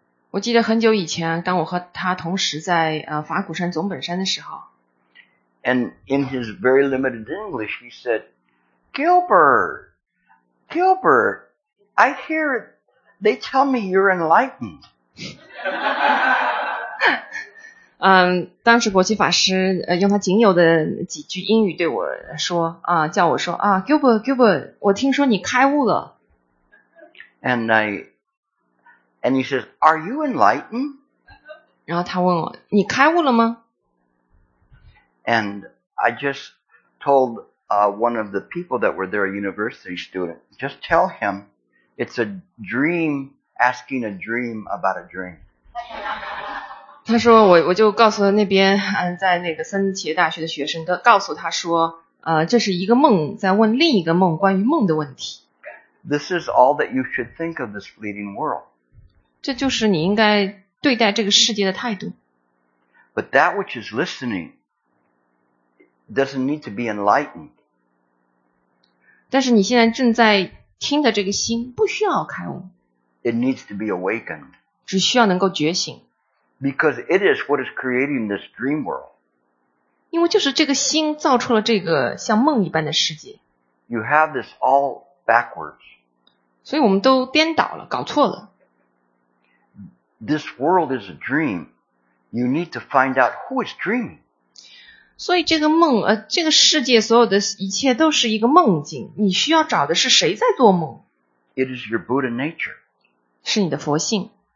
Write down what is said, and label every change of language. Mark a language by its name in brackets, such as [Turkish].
[Chinese] 我记得很久以前，当我和他同时在法鼓山总本山的时候。 [English] And in his very limited English, he said, "Gilbert, I hear." They tell me you're enlightened. [Chinese] 当时国际法师用他仅有的几句英语对我说啊，叫我说啊 ，Gilbert， 我听说你开悟了。 [English] And he says, "Are you enlightened?" [Chinese] 然后他问我，你开悟了吗 [English] ？And I just told one of the people that were there, a university student, just tell him. It's a dream asking a dream about a dream. [Chinese] 他说我就告诉了那边在那个森企业大学的学生，告诉他说这是一个梦在问另一个梦关于梦的问题。 [English] This is all that you should think of this fleeting world. [Chinese] 这就是你应该对待这个世界的态度。 [English] But that which is listening doesn't need to be enlightened. [Chinese] 但是你现在正在听的这个心不需要开悟。 [English] It needs to be awakened. [Chinese] 只需要能够觉醒。 [English] Because it is what is creating this dream world. [Chinese] 因为就是这个心造出了这个像梦一般的世界。 [English] You have this all backwards. [Chinese] 所以我们都颠倒了，搞错了。 [English] This world is a dream. You need to find out who is dreaming. [Chinese] 所以这个梦，这个世界所有的一切都是一个梦境。你需要找的是谁在做梦 [English] ？It is your Buddha nature. [Chinese] 是你的佛性。